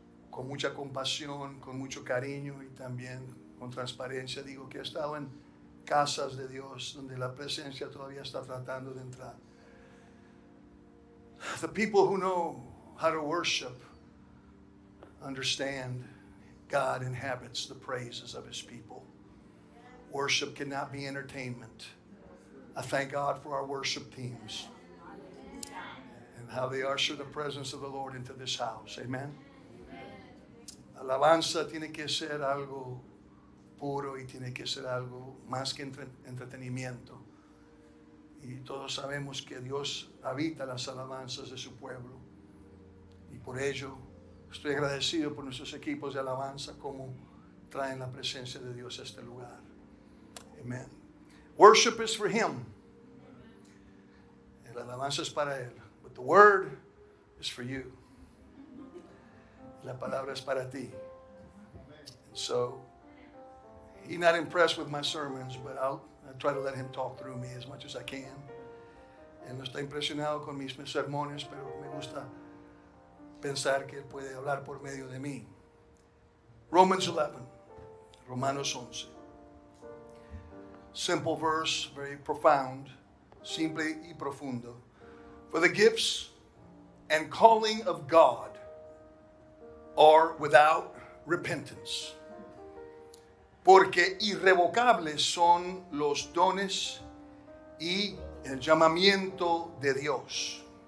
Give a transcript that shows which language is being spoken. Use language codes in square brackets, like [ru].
[es] Con mucha compasión, con mucho cariño y también con transparencia digo que he estado en casas de Dios donde la presencia todavía está tratando de entrar. [en] The people who know how to worship understand God inhabits the praises of his people. Worship cannot be entertainment. I thank God for our worship teams and how they usher the presence of the Lord into this house. Amen. [es] Alabanza tiene que ser algo puro y tiene que ser algo más que entretenimiento. Y todos sabemos que Dios habita las alabanzas de su pueblo. Y por ello, estoy agradecido por nuestros equipos de alabanza como traen la presencia de Dios a este lugar. [en] Amen. Worship is for him. [es] La alabanza es para él. [en] But the word is for you. [es] La palabra es para ti. [en] So, he's not impressed with my sermons, but I'll try to let him talk through me as much as I can. [es] Él no está impresionado con mis sermones, pero me gusta pensar que él puede hablar por medio de mí. [en] Romans 11, Romanos 11. Simple verse, very profound, [es] simple y profundo. [en] For the gifts and calling of God are without repentance. [es] Porque irrevocables son los dones y el llamamiento de Dios.